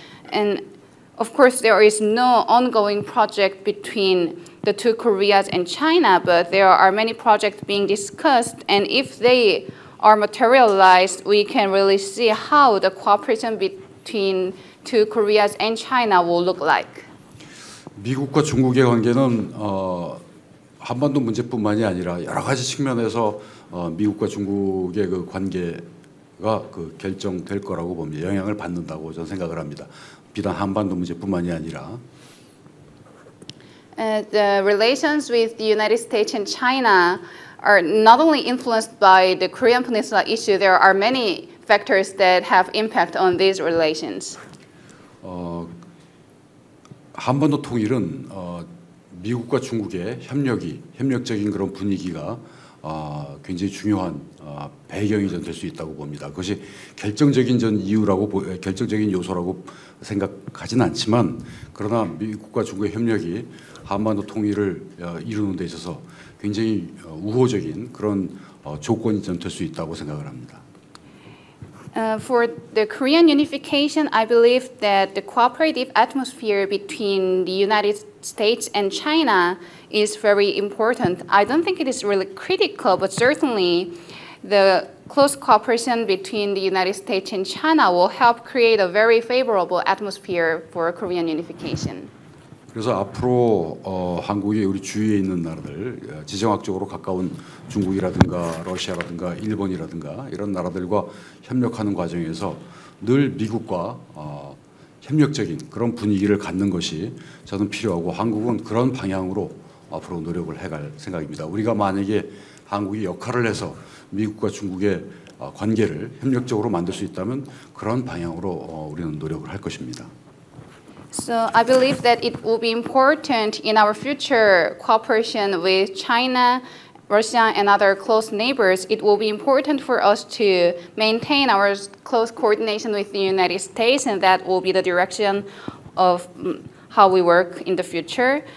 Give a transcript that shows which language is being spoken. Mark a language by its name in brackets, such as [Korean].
[English] And of course, there is no ongoing project between the two Koreas and China, but there are many projects being discussed. And if they are materialized, we can really see how the cooperation between two Koreas and China will look like. [Korean] 미국과 중국의 관계는 한반도 문제뿐만이 아니라 여러 가지 측면에서 미국과 중국의 그 관계가 그 결정될 거라고 봅니다. 영향을 받는다고 저는 생각을 합니다. 비단 한반도 문제뿐만이 아니라. [English] The relations with the United States and China are not only influenced by the Korean Peninsula issue, there are many factors that have impact on these relations. [Korean] 한반도 통일은 미국과 중국의 협력이 협력적인 그런 분위기가 굉장히 중요한 배경이 될 수 있다고 봅니다. 그것이 결정적인 전 이유라고 결정적인 요소라고 생각하진 않지만 그러나 미국과 중국의 협력이 한반도 통일을 이루는 데 있어서 굉장히 우호적인 그런 조건이 좀 될 수 있다고 생각을 합니다. [English] For the Korean unification, I believe that the cooperative atmosphere between the United States and China is very important. I don't think it is really critical, but certainly the close cooperation between the United States and China will help create a very favorable atmosphere for Korean unification. [Korean] 그래서 앞으로 한국이 우리 주위에 있는 나라들 지정학적으로 가까운 중국이라든가 러시아라든가 일본이라든가 이런 나라들과 협력하는 과정에서 늘 미국과 협력적인 그런 분위기를 갖는 것이 저는 필요하고 한국은 그런 방향으로 앞으로 노력을 해갈 생각입니다. 우리가 만약에 한국이 역할을 해서 미국과 중국의 관계를 협력적으로 만들 수 있다면 그런 방향으로 우리는 노력을 할 것입니다. [English] So I believe that it will be important in our future cooperation with China, Russia, and other close neighbors. It will be important for us to maintain our close coordination with the United States, and that will be the direction of how we work in the future.